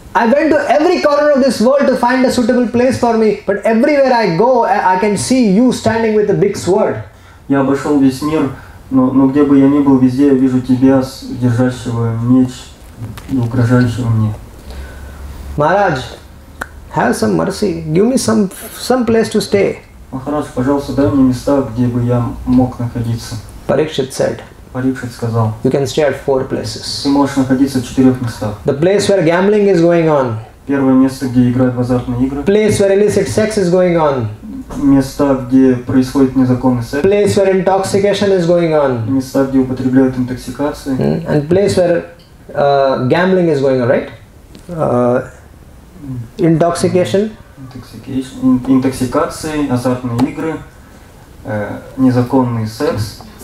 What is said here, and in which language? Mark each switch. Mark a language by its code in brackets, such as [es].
[en] I went to every corner of this world to find a suitable place for me, but everywhere I go, I can see you standing with a big sword. [ru] Я обошел весь мир, но где бы я ни был, везде я вижу тебя, держащего меч, угрожающего мне. [en] Maharaj, have some mercy. Give me some place to stay. [ru] Maharaj, пожалуйста, дай мне места, где бы я мог находиться. [en] Parikshit said. [ru] Parikshit сказал. [en] You can stay at four places. [ru] Ты можешь находиться в четырех местах. [en] The place where gambling is going on. [ru] Первое место, где играют в азартные игры. [en] Place where illicit sex is going on. [ru] Места, где происходит незаконный секс. [en] Place where intoxication is going on. [ru] Места, где употребляют интоксикации. [en] And place where gambling is going on, right? Intoxication. [ru] Интоксикации, азартные игры, незаконный секс.